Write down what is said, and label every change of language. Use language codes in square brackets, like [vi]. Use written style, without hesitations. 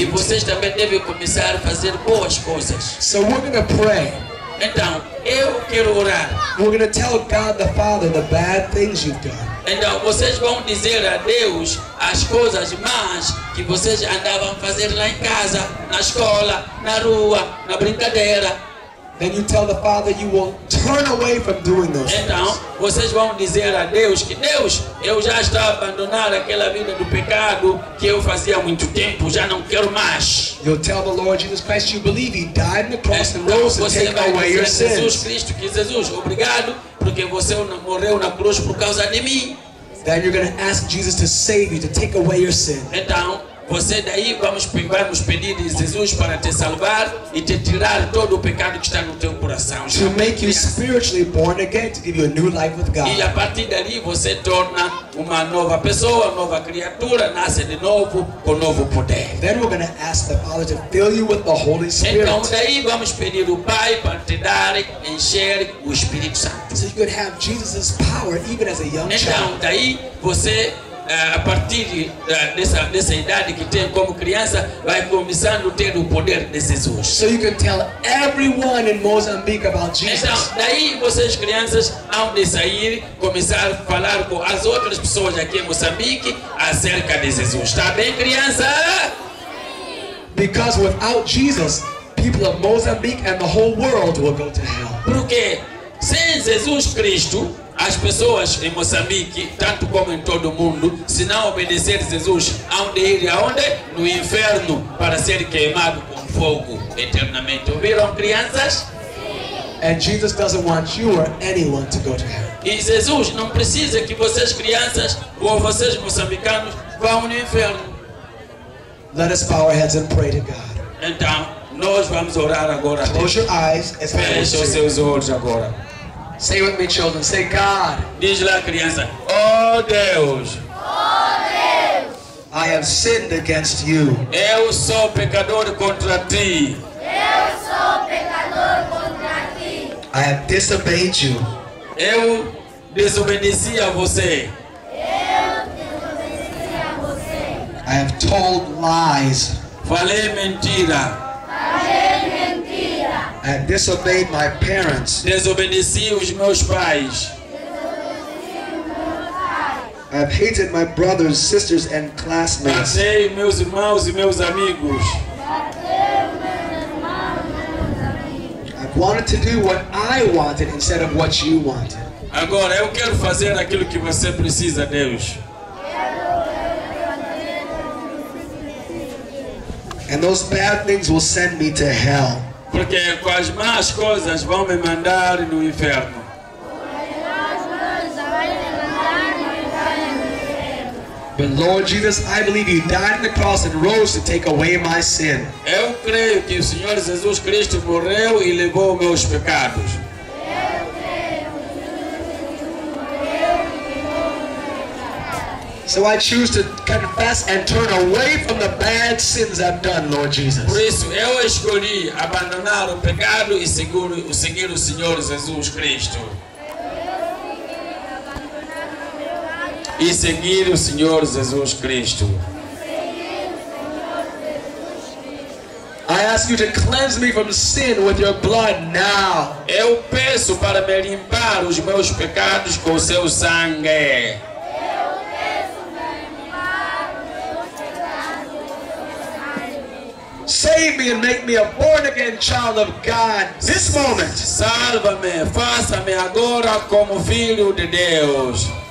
[pt] E vocês também devem começar a fazer boas coisas. [en] So we're going to pray. [pt] Então, eu quero orar. [en] We're going to tell God the Father the bad things you've done. [pt] Então, vocês vão dizer a Deus as coisas más que vocês andavam fazer lá em casa, na escola, na rua, na brincadeira. [en] Then you tell the Father you will turn away from doing those things. [pt] Então, vocês vão dizer a Deus que Deus, eu já estou abandonando aquela vida do pecado que eu fazia há muito tempo, já não quero mais. [en] You'll tell the Lord Jesus Christ you believe he died on the cross and rose to take away your sins. [pt] Jesus Cristo, que Jesus, obrigado, porque você morreu na cruz por causa de mim. [en] Then you're going to ask Jesus to save you, to take away your sins. [pt] Então, você daí vamos pedir a Jesus para te salvar e te tirar todo o pecado que está no teu coração. [en] To make you spiritually born again, to give you a new life with God. [pt] E a partir dali você torna uma nova pessoa, nova criatura, nasce de novo com novo poder. [en] Then we're going to ask the Father to fill you with the Holy Spirit. [pt] Então daí vamos pedir o Pai para te dar e encher o Espírito Santo. [en] So you could have Jesus' power even as a young child. [pt] Então daí você a partir dessa idade que tem como criança vai começando a ter o poder de Jesus. [en] So you can tell everyone in Mozambique about Jesus. [pt] Então, daí vocês crianças vão de sair, começar a falar com as outras pessoas aqui em Moçambique acerca de Jesus. Está bem, criança? [en] Because without Jesus, people of Mozambique and the whole world will go to hell. [pt] Porque sem Jesus Cristo, as pessoas em Moçambique, tanto como em todo o mundo, se não obedecer a Jesus, hão de ir aonde? No inferno, para ser queimado com fogo eternamente. Ouviram, crianças? [en] And Jesus doesn't want you or anyone to go to hell. [pt] E Jesus não precisa que vocês crianças ou vocês moçambicanos vão no inferno. [en] Let us bow our heads and pray to God. [pt] Então, nós vamos orar agora. [en] Close your eyes. [pt] Feche os seus olhos agora. [en] Say with me, children. Say, God. [pt] Diz lá, criança. Oh, Deus. Oh, Deus. [en] I have sinned against you. [pt] Eu sou pecador contra ti. Eu sou pecador contra ti. [en] I have disobeyed you. [pt] Eu desobedeci a você. Eu desobedeci a você. [en] I have told lies. [pt] Falei mentira. [en] I have disobeyed my parents. [pt] Desobedeci os meus pais. Desobedeci os meus pais. [en] I have hated my brothers, sisters, and classmates. [pt] Matei meus irmãos e meus amigos. [en] I wanted to do what I wanted instead of what you wanted. [pt] Agora eu quero fazer aquilo que você precisa, Deus. [en] And those bad things will send me to hell. [pt] Porque com as más coisas vão me mandar no inferno. [en] But Lord Jesus, I believe you died on the cross and rose to take away my sin. [pt] Eu creio que o Senhor Jesus Cristo morreu e levou meus pecados. [en] So I choose to confess and turn away from the bad sins I've done, Lord Jesus. [pt] Por isso, eu escolhi abandonar o pecado e seguir o Senhor Jesus Cristo. E seguir o Senhor Jesus Cristo. [en] I ask you to cleanse me from sin with your blood now. [pt] Eu peço para me limpar os meus pecados com o seu sangue. [en] Save me and make me a born again child of God this moment. [pt] Salva-me, faça-me agora como filho de Deus.